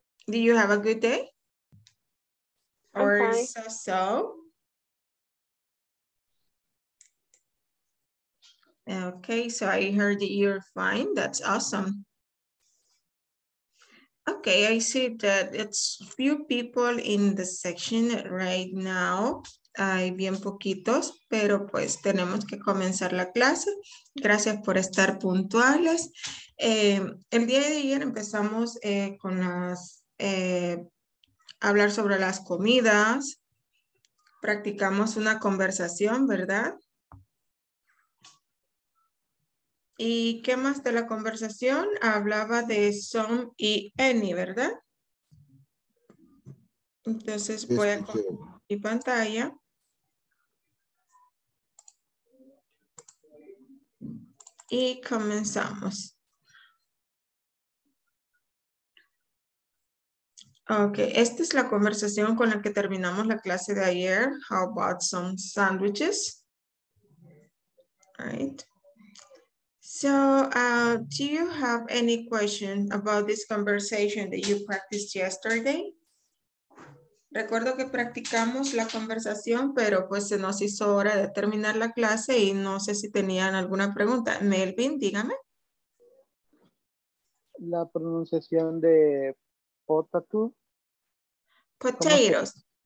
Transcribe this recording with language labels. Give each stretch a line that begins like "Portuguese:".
English: Do you have a good day? Or so? Okay, so I heard that you're fine. That's awesome. Okay, I see that it's few people in the section right now.
Spanish: Hay bien poquitos, pero pues tenemos que comenzar la clase. Gracias por estar puntuales. El día de ayer empezamos con las hablar sobre las comidas. Practicamos una conversación, ¿verdad? ¿Y qué más de la conversación? Hablaba de some y any, ¿verdad? Entonces voy a compartir mi pantalla. Y comenzamos. Ok, esta es la conversación con la que terminamos la clase de ayer.
English: How about some sandwiches? Right. So, do you have any question about this conversation that you practiced yesterday?
Spanish: Recuerdo que practicamos la conversación, pero pues se nos hizo hora de terminar la clase y no sé si tenían alguna pregunta. Melvin, dígame. La pronunciación de potato.
English: Potatoes.